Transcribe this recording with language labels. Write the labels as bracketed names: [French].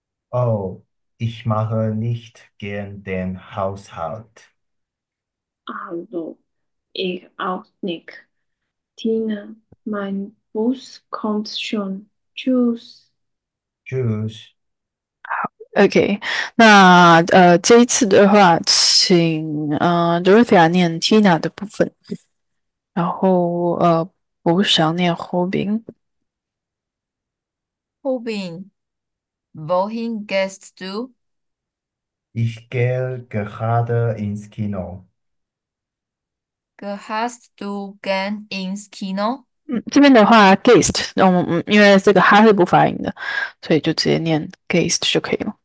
[German] Oh, ich mache nicht gern den Haushalt. Also, ich auch nicht. Tina, mein Bus kommt schon. Tschüss. Tschüss. [Chinese] OK，那这一次的话，请Dorothea 念 Tina 的部分，然后我想念 Hobin。 [German] Robin, wohin gehst du? Ich gehe gerade ins Kino. Gehst du gern ins Kino? [Chinese] 这边的话，gehst，因为这个 ha 是不发音的，所以就直接念 gehst 就可以了。